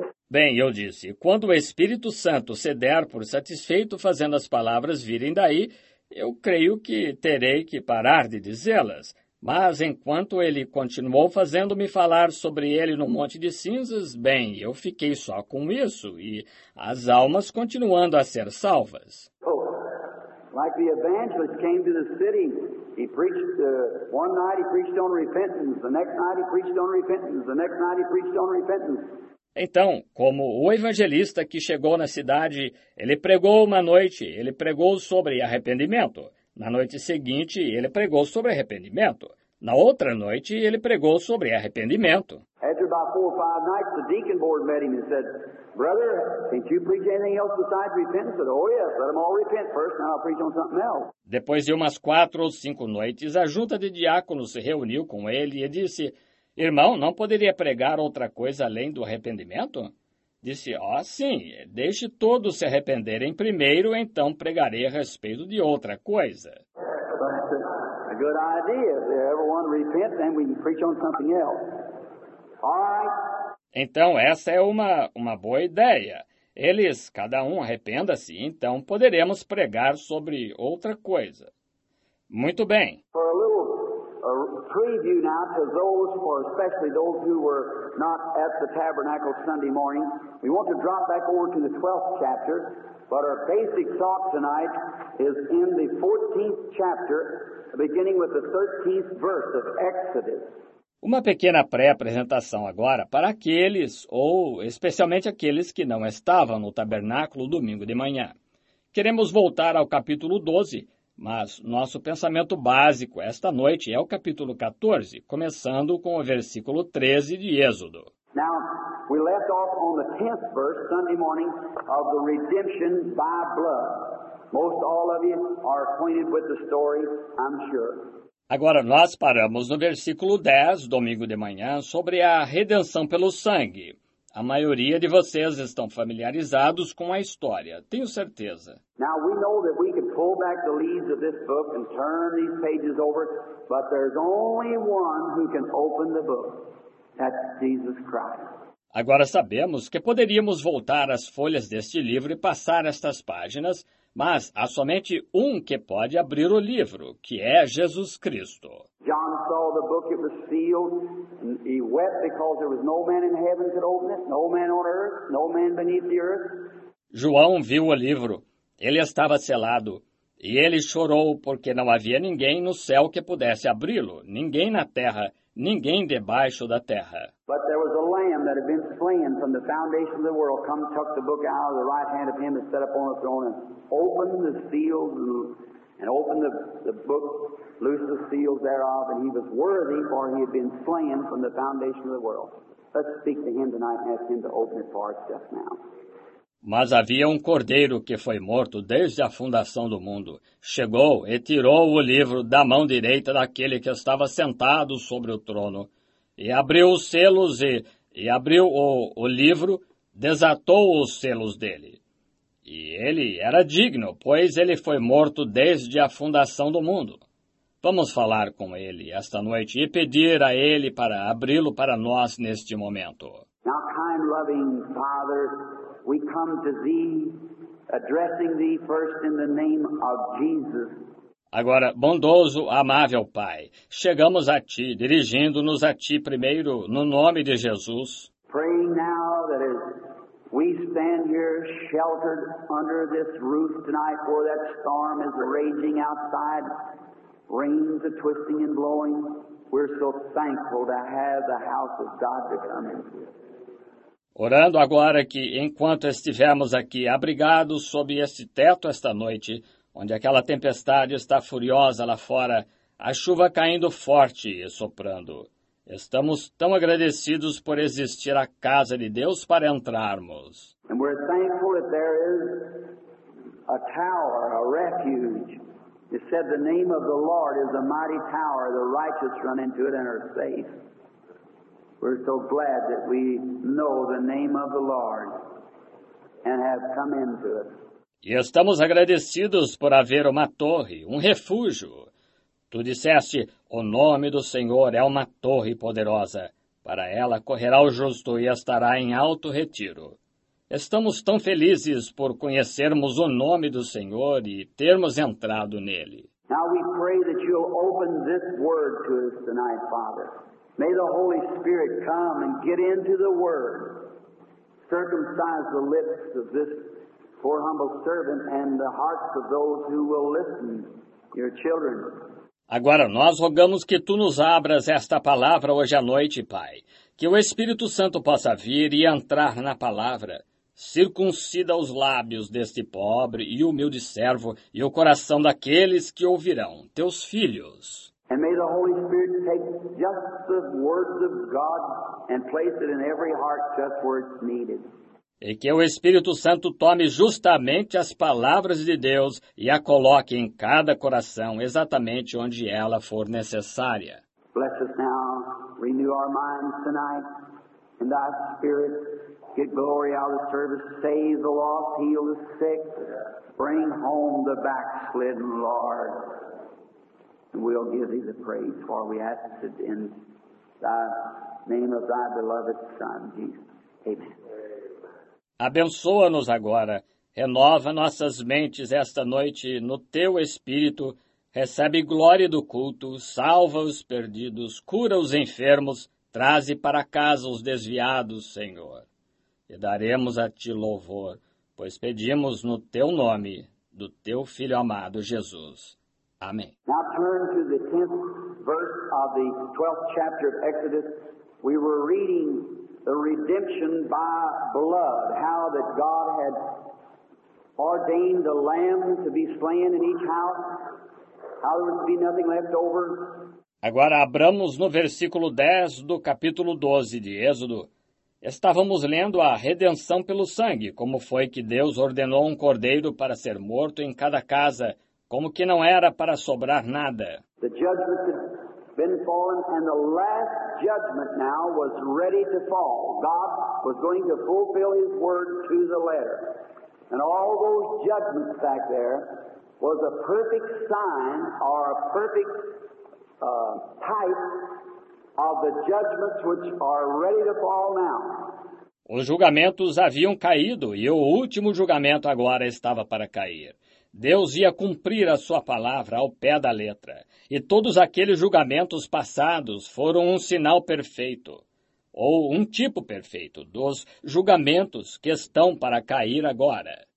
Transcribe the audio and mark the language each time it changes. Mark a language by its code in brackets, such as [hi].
[pt] Bem, eu disse, quando o Espírito Santo se der por satisfeito fazendo as palavras virem daí, eu creio que terei que parar de dizê-las. Mas enquanto ele continuou fazendo-me falar sobre ele no monte de cinzas, bem, eu fiquei só com isso e as almas continuando a ser salvas. [en] Oh, like the evangelist came to the city. He preached one night he preached on repentance, the next night he preached on repentance, the next night he preached on repentance. [pt] Então, como o evangelista que chegou na cidade, ele pregou uma noite, ele pregou sobre arrependimento. Na noite seguinte, ele pregou sobre arrependimento. Na outra noite, ele pregou sobre arrependimento. [en] After about 4 or 5 nights, the deacon board met him and said, Brother, can't you preach anything else besides repentance? Said, oh yes, let them all repent first, and I'll preach on something else. [pt] Depois de umas 4 ou 5 noites, a junta de diáconos se reuniu com ele e disse, Irmão, não poderia pregar outra coisa além do arrependimento? Disse, oh, sim, deixe todos se arrependerem primeiro, então pregarei a respeito de outra coisa. [en] A good idea. Everyone repent, then we can preach on something else. All right. [pt] Então, essa é uma boa ideia. Eles, cada um, arrependa-se, então poderemos pregar sobre outra coisa. Muito bem. [en] For a little preview now to those, or especially those who were not at the tabernacle Sunday morning, we want to drop back over to the 12th chapter, but our basic thought tonight is in the 14th chapter, beginning with the 13th verse of Exodus. [pt] Uma pequena pré-apresentação agora para aqueles, ou especialmente aqueles que não estavam no tabernáculo domingo de manhã. Queremos voltar ao capítulo 12, mas nosso pensamento básico esta noite é o capítulo 14, começando com o versículo 13 de Êxodo. [en] Now, we left off on the 10th verse, Sunday morning, of the redemption by blood. Most all of you are acquainted with the story, I'm sure. [pt] Agora nós paramos no versículo 10, domingo de manhã, sobre a redenção pelo sangue. A maioria de vocês estão familiarizados com a história, tenho certeza. [en] Now we know that we can pull back the leaves of this book and turn these pages over, but there's only one who can open the book. That's Jesus Christ. [pt] Agora sabemos que poderíamos voltar às folhas deste livro e passar estas páginas, mas há somente um que pode abrir o livro, que é Jesus Cristo. [en] John saw the book, it was sealed, and he wept because there was no man in heaven could open it, no man on earth, no man beneath the earth. [pt] João viu o livro, ele estava selado, e ele chorou porque não havia ninguém no céu que pudesse abri-lo, ninguém na terra, ninguém debaixo da terra. [en] But there was a lamb that had been slain from the foundation of the world, come tuck the book out of the right hand of him that sat upon the throne. Open the seals and open the book, loose the seals thereof, and he was worthy, for he had been slain from the foundation of the world. Let's speak to him tonight and ask him to open it for us just now. [pt] Mas havia um cordeiro que foi morto desde a fundação do mundo. Chegou e tirou o livro da mão direita daquele que estava sentado sobre o trono. E abriu os selos e abriu o livro, desatou os selos dele. E ele era digno, pois ele foi morto desde a fundação do mundo. Vamos falar com ele esta noite e pedir a ele para abri-lo para nós neste momento. [en] Now, kind, loving Father, we come to thee, addressing thee first in the name of Jesus. [pt] Agora, bondoso, amável Pai, chegamos a Ti, dirigindo-nos a Ti primeiro, no nome de Jesus. [en] Praying now that as we stand here sheltered under this roof tonight, for that storm is raging outside, rains are twisting and blowing, we're so thankful to have the house of God to come into. [pt] Orando agora que, enquanto estivermos aqui abrigados sob este teto esta noite, onde aquela tempestade está furiosa lá fora, a chuva caindo forte e soprando, estamos tão agradecidos por existir a casa de Deus para entrarmos. E estamos [en] thankful that there is a tower, a refuge. It said the name of the Lord is a mighty tower. The righteous run into it and are safe. We're so glad that we know the name of the Lord and have come into it. [pt] E estamos agradecidos por haver uma torre, um refúgio. Tu disseste, o nome do Senhor é uma torre poderosa. Para ela correrá o justo e estará em alto retiro. Estamos tão felizes por conhecermos o nome do Senhor e termos entrado nele. [en] Now we pray that you'll open this word to us tonight, Father. May the Holy Spirit come and get into the word. Circumcise the lips of this poor humble servant and the hearts of those who will listen, your children. [pt] Agora nós rogamos que tu nos abras esta palavra hoje à noite, Pai, que o Espírito Santo possa vir e entrar na palavra. Circuncida os lábios deste pobre e humilde servo e o coração daqueles que ouvirão, teus filhos. [en] And may the Holy Spirit take just the words of God and place it in every heart just where it's needed. [pt] E que o Espírito Santo tome justamente as palavras de Deus e a coloque em cada coração exatamente onde ela for necessária. [en] Bless us now, renew our minds tonight, in thy spirit, get glory out of the service, save the lost, heal the sick, bring home the backslidden, Lord. And we'll give thee the praise, for we ask it in thy name of thy beloved Son, Jesus. Amen. [pt] Abençoa-nos agora, renova nossas mentes esta noite no Teu Espírito, recebe glória do culto, salva os perdidos, cura os enfermos, traze para casa os desviados, Senhor. E daremos a Ti louvor, pois pedimos no Teu nome, do Teu Filho amado Jesus. Amém. [en] Now turn to the 10th verse of the 12th chapter of Exodus. We were reading the redemption by blood, how that God had ordained the lamb to be slain in each house, how there would be nothing left over. [pt] Agora abramos no versículo 10 do capítulo 12 de Êxodo. Estávamos lendo a redenção pelo sangue, como foi que Deus ordenou um cordeiro para ser morto em cada casa, como que não era para sobrar nada. [en] The judgment had been fallen and the last judgment now was ready to fall. God was going to fulfill His word to the letter. And all those judgments back there was a perfect sign or a perfect type of the judgments which are ready to fall now. [pt] Os julgamentos haviam caído e o último julgamento agora estava para cair. Deus ia cumprir a sua palavra ao pé da letra, e todos aqueles julgamentos passados foram um sinal perfeito, ou um tipo perfeito, dos julgamentos que estão para cair agora.